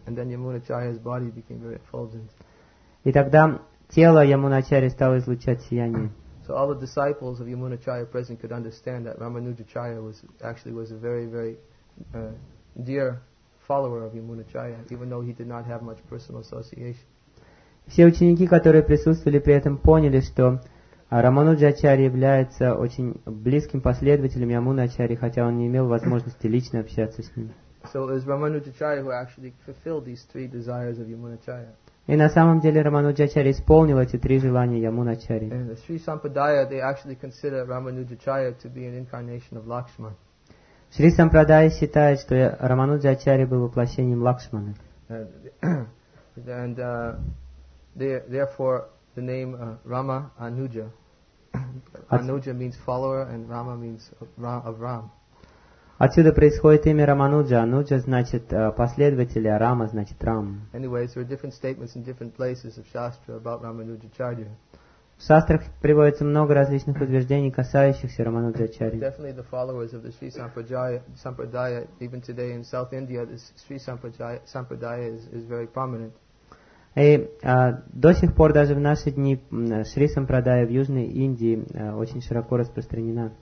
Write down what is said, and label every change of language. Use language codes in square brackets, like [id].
[en] And then Yamunacharya's body became very effulgent. [ru] И тогда тело Ямуначарьи стало излучать сияние. [en] So all the disciples of Yamunacharya present could understand that Ramanujacharya was a very, very dear follower of Yamunacharya, even though he did not have much personal association. [ru] Все ученики, которые присутствовали при этом, поняли, что Рамануджачарья является очень близким последователем Ямуначарьи, хотя он не имел возможности лично общаться с ним. [en] So it was Ramanujacharya who actually fulfilled these three desires of Yamunacharya. [ru] И на самом деле Рамануджачарья исполнил эти три желания Ямуначарьи. [en] And the Sri Sampradaya, they actually consider Ramanujacharya to be an incarnation of Lakshman. [ru] Шри Сампрадая считает, что Рамануджачарья был воплощением Лакшмана. [en] And therefore, the name Rama Anuja. Anuja means follower, and Rama means of Ram. [ru] Отсюда происходит имя Рамануджа. Ануджа значит последователь, а Рама значит Рам. [en] Anyways, there are different statements in different places of Shastra about Ramanujacharya. [ru] В шастрах приводится много различных утверждений, касающихся Рамануджачарьи. [en] Definitely, the followers of the Sri Sampradaya, even today in South India, the Sri Sampradaya is very prominent. [ru] И до сих пор, даже в наши дни, Шри Сампрадая в Южной Индии очень широко распространена.